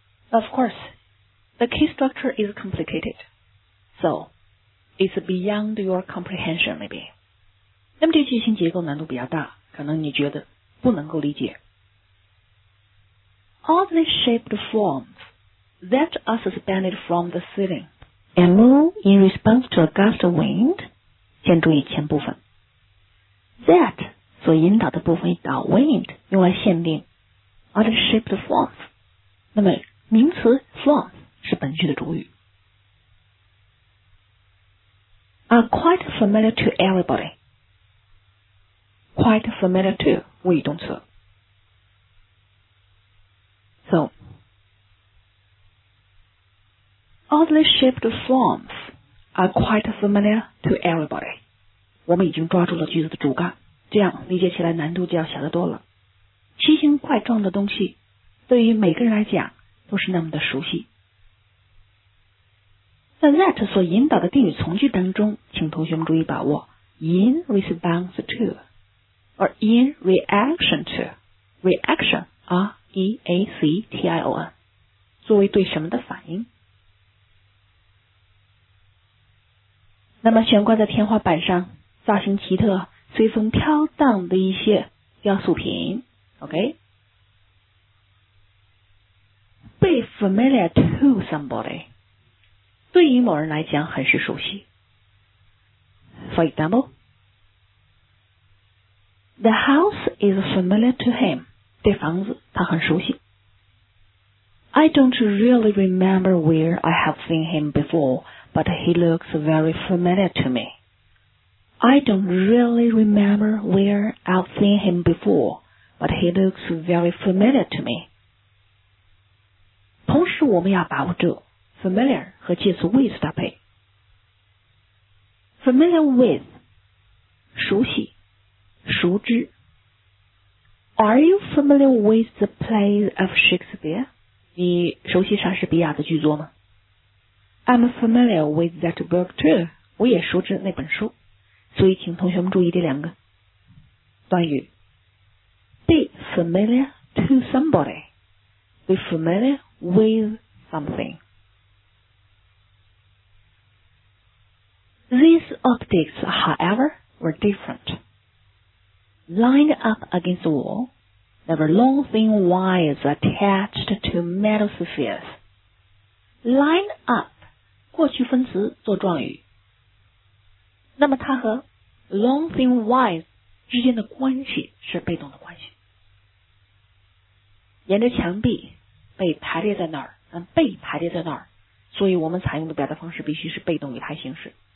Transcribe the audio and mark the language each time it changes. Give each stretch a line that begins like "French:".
English: Of course, the key structure is complicated. So, it's beyond your comprehension, maybe.
Chinese: 那么这句型结构难度比较大，可能你觉得不能够理解。
English: Oddly shaped forms that are suspended from the ceiling and move in response to a gust of wind.
Chinese: 先注意前部分。
English: That
Chinese: 所引导的部分以 wind 用来限定。
English: Oddly shaped forms.
Chinese: 那么名词 form 是本句的主语。
English: Are quite familiar to everybody. Quite familiar to
Chinese: 谓语动词。
English: So, oddly shaped forms are quite familiar to everybody.
Chinese: 我们已经抓住了句子的主干，这样理解起来难度就要小得多了。奇形怪状的东西对于每个人来讲都是那么的熟悉。那 that 所引导的定语从句当中，请同学们注意把握
English: in response to or in reaction to reaction R-E-A-C-T-I-O-N
Chinese: 作为对什么的反应。那么悬挂在天花板上造型奇特随风飘荡的一些雕塑品 OK
English: Be familiar to somebody
Chinese: 对于某人来讲很是熟悉。
English: For example The house is familiar to him
Chinese: 这房子他很熟悉。
English: I don't really remember where I have seen him before but he looks very familiar to meI don't really remember where I've seen him before, but he looks very familiar to me.
Chinese: 同时我们要把握住 familiar 和介词 with 搭配。
English: Familiar with,
Chinese: 熟悉,熟知。
English: Are you familiar with the play of Shakespeare?
Chinese: 你熟悉莎士比亚的剧作吗?
English: I'm familiar with that book too.
Chinese: 我也熟知那本书。所以请同学们注意这两个短语
English: Be familiar to somebody Be familiar with something These objects, however, were different Lined up against the wall There were long thin wires attached to metal spheres Line up
Chinese: 过去分词做状语那么它和
English: long thin wires
Chinese: 之间的关系是被动的关系。沿着墙壁被排列在那儿，被排列在那儿，所以我们采用的表达方式必须是被动语态形式。